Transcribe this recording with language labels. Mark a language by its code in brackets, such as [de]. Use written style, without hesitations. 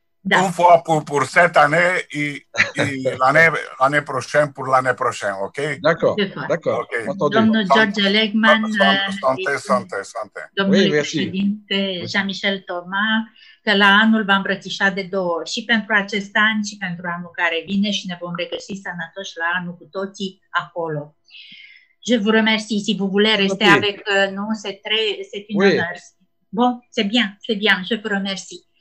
[fr] Une fois pour cette année et l'année prochaine pour l'année prochaine, ok? D'accord. Okay. Entendu. Domnul George Legman, santé. [ro] Domnul președinte Jean-Michel Thomas, că la anul va îmbrățișa de două ori, și pentru acest an și pentru anul care vine, și ne vom regăsi sănătoși la anul cu toții acolo. [fr] Je vous remercie, si vous voulez rester avec nous, c'est une honneur. Bon, c'est bien, je vous remercie.